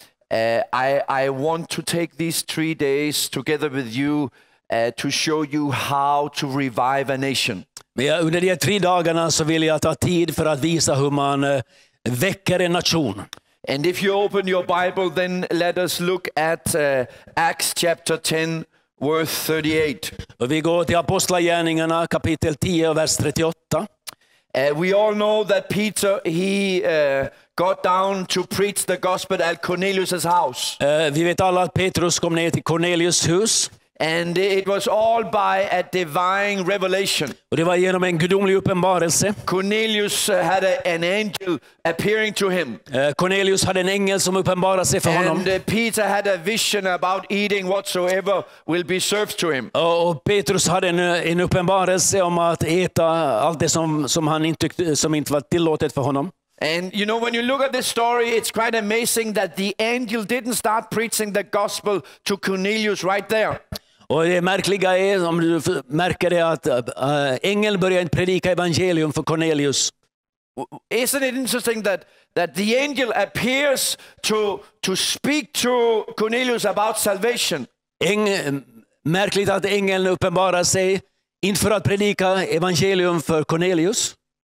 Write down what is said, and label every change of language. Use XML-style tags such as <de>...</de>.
<en>But I want to take these 3 days together with you to show you how to revive a nation.</en> <sv>Men under de här 3 dagarna så vill jag ta tid för att visa hur man väcker en nation.</sv> <en>And if you open your Bible, then let us look at Acts chapter 10, verse 38.</en> <sv>Och vi går till Apostlagärningarna kapitel 10, vers 38.</sv> <en>We all know that Peter, he got down to preach the gospel at Cornelius's house.</en> <sv>Vi vet alla att Petrus kom ner till Cornelius hus.</sv> <en>And it was all by a divine revelation.</en> <sv>Och det var genom en gudomlig uppenbarelse.</sv> <en>Cornelius had an angel appearing to him.</en> <sv>Cornelius hade en ängel som uppenbarade sig för honom.</sv> <en>And Peter had a vision about eating whatsoever will be served to him.</en> <sv>Och Petrus hade en uppenbarelse om att äta allt det som inte var tillåtet för honom.</sv> <en>And you know, when you look at this story, it's quite amazing that the angel didn't start preaching the gospel to Cornelius right there.</en> <sv>Och det märkliga är, om du märker det, att ängeln började predika evangelium för Cornelius.</sv> <en>Isn't it interesting that the angel appears to speak to Cornelius about salvation?</en> <sv>Märkligt att ängeln uppenbarar sig inte för att predika evangelium för Cornelius.</sv>